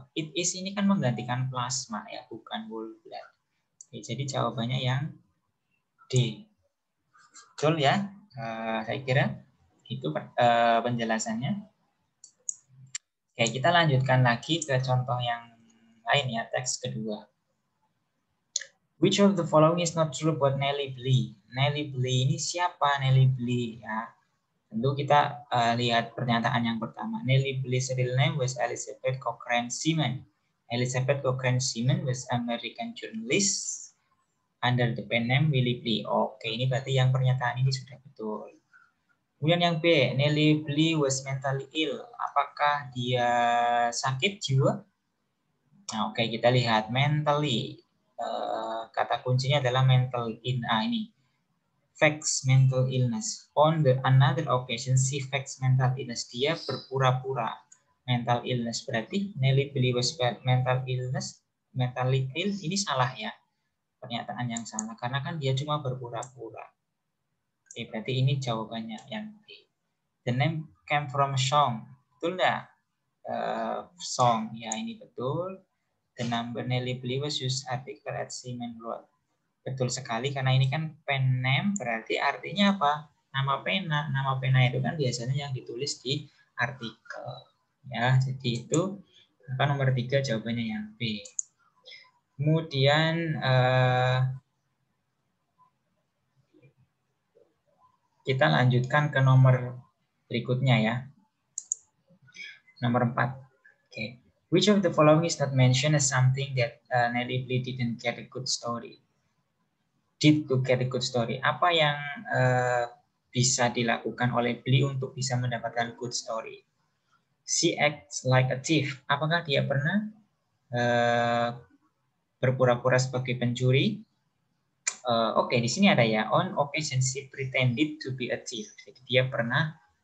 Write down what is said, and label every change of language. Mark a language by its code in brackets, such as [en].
[id] It is ini kan menggantikan plasma ya, bukan whole blood. Oke, jadi jawabannya yang D. Betul ya, saya kira itu penjelasannya. Oke, kita lanjutkan lagi ke contoh yang lain ya, teks kedua. [en] Which of the following is not true about Nellie Bly? [id] Nellie Bly ini siapa Nellie Bly ya? Tentu kita lihat pernyataan yang pertama. [en] Nellie Bly's real name was Elizabeth Cochrane Seaman. Elizabeth Cochrane Seaman was American journalist under the pen name Willie Bly. [id] Oke, ini berarti yang pernyataan ini sudah betul. Kemudian yang B, [en] Nellie Bly was mentally ill. [id] Apakah dia sakit jiwa? Nah, oke, kita lihat mentally. Kata kuncinya adalah mental in. [en] Ah, ini. Facts mental illness. On the another occasion, she facts mental illness. [id] Dia berpura-pura mental illness. Berarti Nellie Bly was mental illness. Mentally ill, ini salah ya. Pernyataan yang salah. Karena kan dia cuma berpura-pura. Oke, berarti ini jawabannya yang B. [en] The name came from song. [id] Betul nggak? Song, ya ini betul. [en] The number Nellie Bly was used article at Seaman Road. [id] Betul sekali, karena ini kan pen name, berarti artinya apa? Nama pena. Nama pena itu kan biasanya yang ditulis di artikel. Ya, jadi itu apa nomor 3 jawabannya yang B. Kemudian, kita lanjutkan ke nomor berikutnya ya. Nomor 4. Okay. [en] Which of the following is not mentioned as something that Nellie Bly didn't get a good story? Did to get a good story. [id] Apa yang bisa dilakukan oleh Bly untuk bisa mendapatkan good story? [en] She acts like a thief. [id] Apakah dia pernah berpura-pura sebagai pencuri? Oke, di sini ada ya. [en] On occasion she pretended to be a thief. [id] Jadi dia pernah